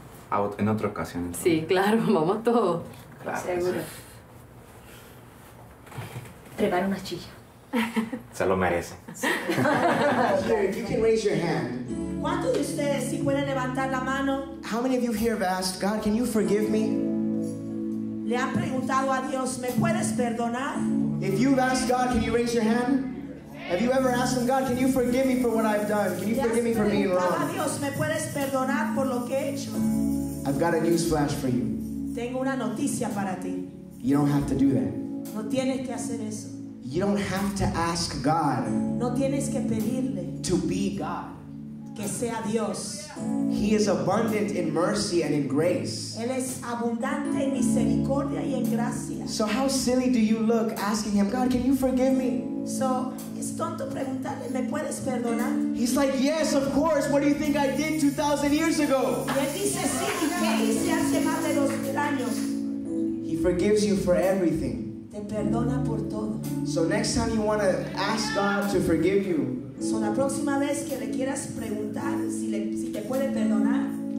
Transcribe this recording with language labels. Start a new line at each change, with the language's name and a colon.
Spanish: Ah, bueno. En otra ocasión. Sí, claro, vamos todos. Claro. Seguro. Sí. Prepara una chilla. Se lo merece.
English: Okay, you can raise your hand.
Spanish: ¿Cuántos de ustedes sí pueden levantar la mano?
English: How many of you here have asked, God, can you forgive me?
Spanish: ¿Le han preguntado a Dios, me puedes perdonar?
English: If you've asked God, can you raise your hand? Have you ever asked him, God, can you forgive me for what I've done? Can you forgive me for being wrong?
Spanish: ¿Le has preguntado a Dios, me puedes perdonar por lo que he hecho?
English: I've got a newsflash for you.
Spanish: Tengo una noticia para ti.
English: You don't have to do that.
Spanish: No tienes que hacer eso.
English: You don't have to ask God.
Spanish: No tienes que pedirle.
English: To be God.
Spanish: Que sea Dios.
English: He is abundant in mercy and in grace.
Spanish: Él es abundante en misericordia y en gracia.
English: So how silly do you look asking him, God, can you forgive me?
Spanish: So, es tonto preguntarle, ¿me puedes perdonar?
English: He's like, yes, of course. What do you think I did 2,000 years ago?
Spanish: Y él dice, sí, ¿qué hice hace más de 2,000 años?
English: He forgives you for everything.
Spanish: Te perdona por todo.
English: So next time you want to ask God to forgive you,
Spanish: so la próxima vez que le quieras preguntar si te puede perdonar,